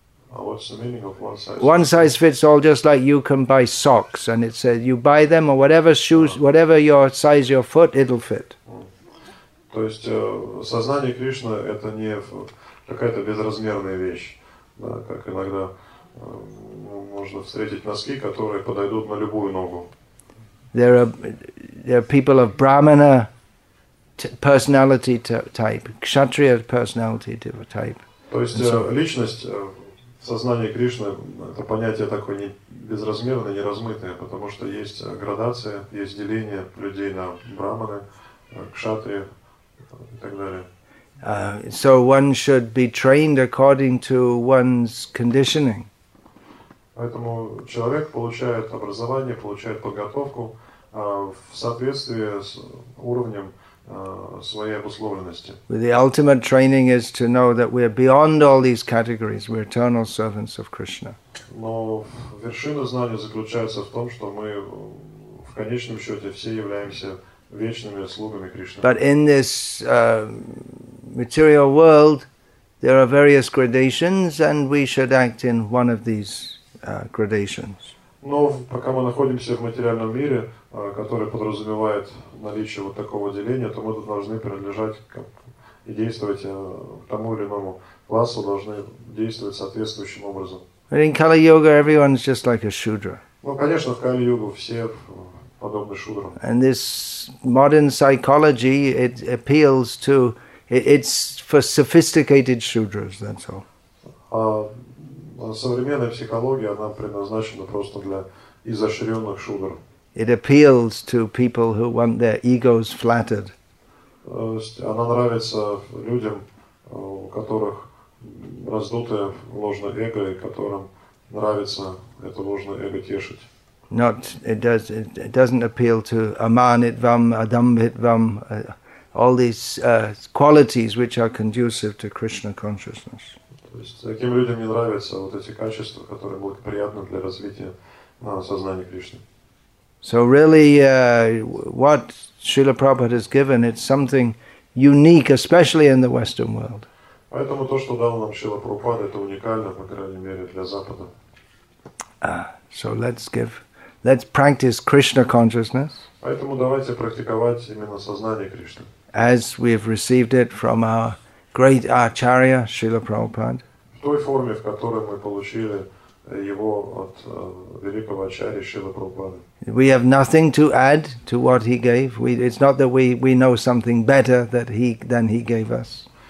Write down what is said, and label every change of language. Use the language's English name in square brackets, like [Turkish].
[English] What's the meaning of one-size-fits-all? One-size-fits-all, just like you can buy socks, and it says you buy them, or whatever shoes, whatever your size your foot, it'll fit. [Russian] То есть сознание Кришны – это не какая-то безразмерная вещь, как иногда можно встретить носки, которые подойдут на любую ногу. [English] There are people of Brahmana personality type, Kshatriya personality type. [Russian] То есть личность в сознании Кришны – это понятие такое не безразмерное, неразмытое, потому что есть градация, есть деление людей на Брахманы, Кшатрия и так далее. [English] So one should be trained according to one's conditioning. [Russian] Поэтому человек получает образование, получает подготовку в соответствии с уровнем своей обусловленности. [English] The ultimate training is to know that we are beyond all these categories. We are eternal servants of Krishna. [Russian] Но вершина знания заключается в том, что мы в конечном счете все являемся вечными слугами Кришны. [English] But in this material world, there are various gradations, and we should act in one of these gradations. [Russian] Но пока мы находимся в материальном мире, который подразумевает наличие вот такого деления, то мы тут должны принадлежать и действовать к тому или иному классу, должны действовать соответствующим образом. [English] In Kali Yuga, everyone is just like a shudra. [Russian] Ну, конечно, в Кали Йогу все подобны шудрам. [English] And this modern psychology, it appeals to, it's for sophisticated shudras, that's all. [Russian] Современная психология, она предназначена просто для изощренных шудр. [English] It appeals to people who want their egos flattered. [Russian] Она нравится людям, у которых раздутое ложное эго, и которым нравится это ложное эго тешить. [English] Not it doesn't appeal to amanitvam, adambitvam, all these qualities which are conducive to Krishna consciousness. [Russian] То есть таким людям не нравятся вот эти качества, которые благоприятны для развития сознания Кришны. [English] So really, what Srila Prabhupada has given, it's something unique, especially in the Western world. [Russian] Поэтому то, что дал нам Шрила Прабхупада, это уникально, по крайней мере, для Запада. [English] So let's practice Krishna consciousness. [Russian] Поэтому давайте практиковать именно сознание Кришны. [English] As we have received it from our great Acharya, Srila Prabhupada. [Russian] В той форме, в которой мы получили его от великого Ачарьи Шрилы Прабхупады. [English] We have nothing to add to what he gave. It's not that we know something better than he gave us.